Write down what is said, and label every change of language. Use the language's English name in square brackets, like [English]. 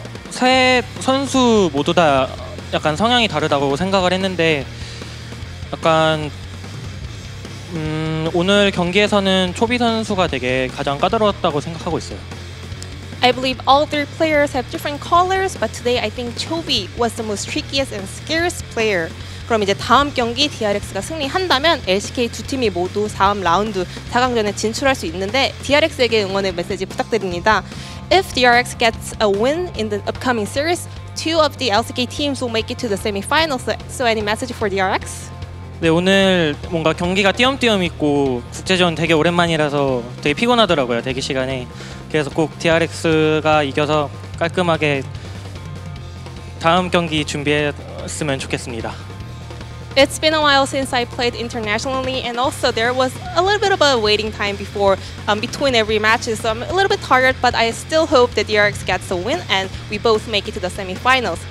[Korean] 세 선수 모두 다 약간 성향이 다르다고 생각을 했는데 약간 오늘 경기에서는 초비 선수가 되게 가장 까다로웠다고 생각하고 있어요. [English] I believe all three players have different colors, but today I think Chovy was the most trickiest and scariest player. [Korean] 그럼 이제 다음 경기 DRX가 승리한다면 LCK 두 팀이 모두 다음 라운드 4강전에 진출할 수 있는데 DRX에게 응원의 메시지 부탁드립니다. [English] If DRX gets a win in the upcoming series, two of the LCK teams will make it to the semifinals. So any message for DRX? [Korean] 네, 오늘 뭔가 경기가 띄엄띄엄 있고 국제전 되게 오랜만이라서 되게 피곤하더라고요, 대기 시간에. 그래서 꼭 DRX가 이겨서 깔끔하게 다음 경기 준비했으면 좋겠습니다. [English] It's been a while since I played internationally, and also there was a little bit of a waiting time before between every matches, so I'm a little bit tired, but I still hope that DRX gets a win and we both make it to the semifinals.